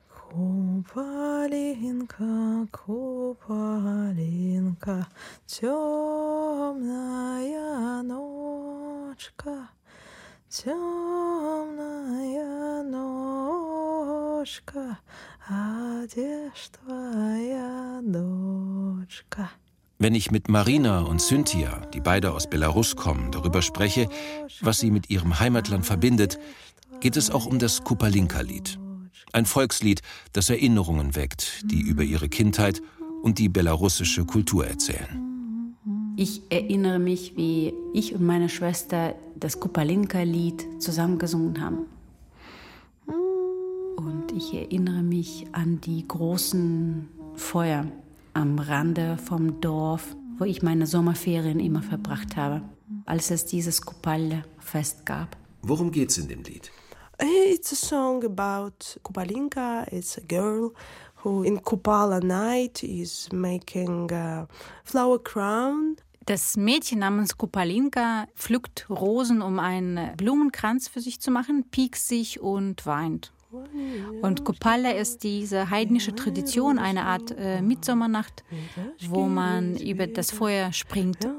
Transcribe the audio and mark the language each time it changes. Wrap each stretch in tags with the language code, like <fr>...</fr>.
<ru>Купалинка, купалинка, темная ночка, темная ночка, а где ж твоя дочка?</ru> <de>Wenn ich mit Marina und Cynthia, die beide aus Belarus kommen, darüber spreche, was sie mit ihrem Heimatland verbindet, geht es auch um das Kupalinka-Lied. Ein Volkslied, das Erinnerungen weckt, die über ihre Kindheit und die belarussische Kultur erzählen. Ich erinnere mich, wie ich und meine Schwester das Kupalinka-Lied zusammengesungen haben. Und ich erinnere mich an die großen Feuer am Rande vom Dorf, wo ich meine Sommerferien immer verbracht habe, als es dieses Kupal-Fest gab. Worum geht's in dem Lied?</de> <en>It's a song about Kupalinka. It's a girl who in Kupala night is making a flower crown.</en> <de>Das Mädchen namens Kupalinka pflückt Rosen, um einen Blumenkranz für sich zu machen, piekst sich und weint. Und Kupala ist diese heidnische Tradition, eine Art Mitsommernacht, wo man über das Feuer springt.</de>